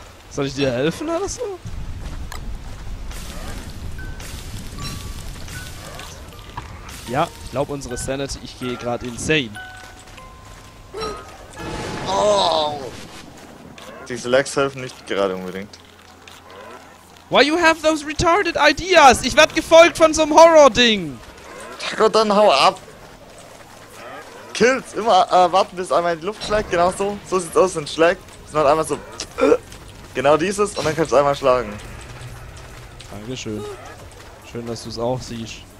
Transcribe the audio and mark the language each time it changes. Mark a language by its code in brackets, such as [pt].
[de] Soll ich dir helfen oder so? Ja, ich glaube unsere Sanity, ich gehe gerade insane. Oh. Diese Lags helfen nicht gerade unbedingt. [en] Why you have those retarded ideas? [de] Ich werd gefolgt von so einem Horror-Ding. Ja, Gott, dann hau ab. Kills, immer warten bis einmal in die Luft schlägt, genau so. So sieht's aus, ein Schlag. Es macht einmal so. Genau dieses und dann kannst du einmal schlagen. Dankeschön. Schön, dass du es auch siehst.